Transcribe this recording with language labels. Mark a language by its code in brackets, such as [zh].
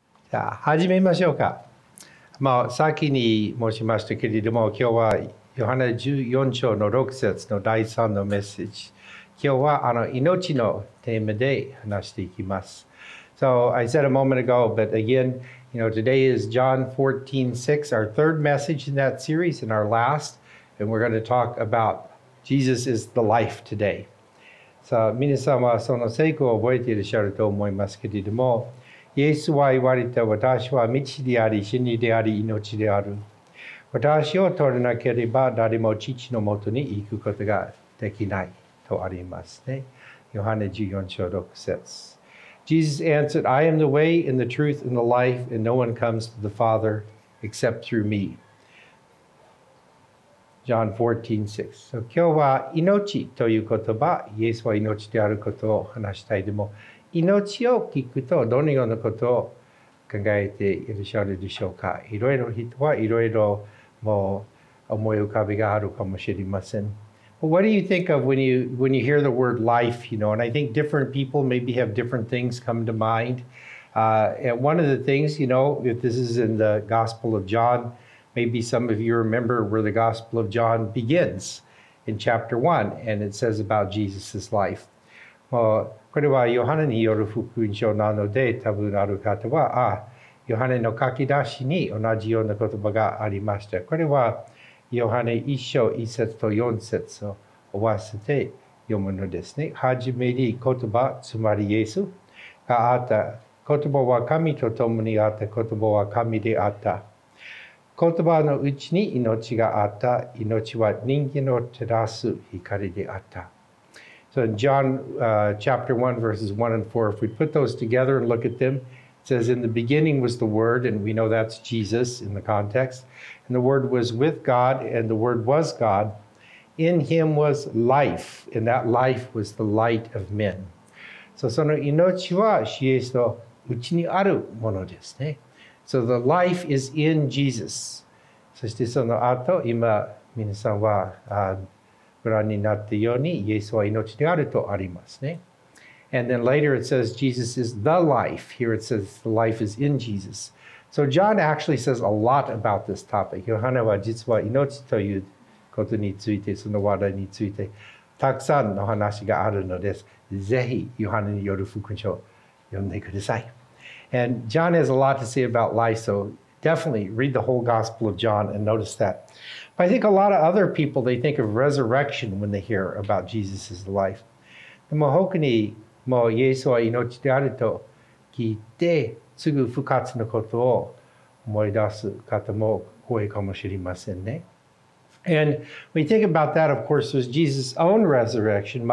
[ja] じゃあ始めましょうか。まあ先に申しましたけれども、今日はヨハネ14章の6節の第3のメッセージ、今日は命のテーマで話していきます。 [en] So I said a moment ago, but again, you know, today is John 14:6, our third message in that series and our last, and we're going to talk about Jesus is the life today. [ja] さあ皆さんはその成功を覚えていらっしゃると思いますけれども、イエスは言われた、私は道であり、真理であり、命である。私を通らなければ誰も父のもとに行くことができないとありますね。ヨハネ14章6節。 [en] Jesus answered, I am the way and the truth and the life, and no one comes to the Father except through me. John 14:6. [ja] So, 今日は命という言葉、イエスは命であることを話したい。でも命を聞くとどのようなことを考えていらっしゃるでしょうか。いろいろ人はいろいろもう思い浮かびがあるかもしれません。 [en] But what do you think of when you hear the word life, you know? And I think different people maybe have different things come to mind. And one of the things, you know, if this is in the Gospel of John, maybe some of you remember where the Gospel of John begins in chapter 1, and it says about Jesus' life. [ja] Well,これはヨハネによる福音書なので、多分ある方は、ヨハネの書き出しに同じような言葉がありました。これはヨハネ1章1節と4節を合わせて読むのですね。はじめに言葉、つまりイエスがあった。言葉は神と共にあった。言葉は神であった。言葉のうちに命があった。命は人間を照らす光であった。 [en] So in John chapter 1, verses 1 and 4, if we put those together and look at them, it says, in the beginning was the Word, and we know that's Jesus in the context. And the Word was with God, and the Word was God. In Him was life, and that life was the light of men. [ja] So その命は、イエスのうちにあるものですね。 [en] So the life is in Jesus. [ja] そしてその後、今皆さんは、ご覧になったように、イエスは命であるとありますね。 [en] And then later it says, Jesus is the life. Here it says, the life is in Jesus. So John actually says a lot about this topic. [ja] ヨハネは実は命ということについて、その話題について、たくさんの話があるのです。ぜひ、ヨハネによる福音書を読んでください。 [en] And John has a lot to say about life, so definitely read the whole Gospel of John and notice that. I think a lot of other people, they think of resurrection when they hear about Jesus' life. [ja] でも他にもイエスは命であると聞いて、すぐ復活のことを思い出す方も多いかもしれませんね。 [en] And when you think about that, of course, there's Jesus' own resurrection.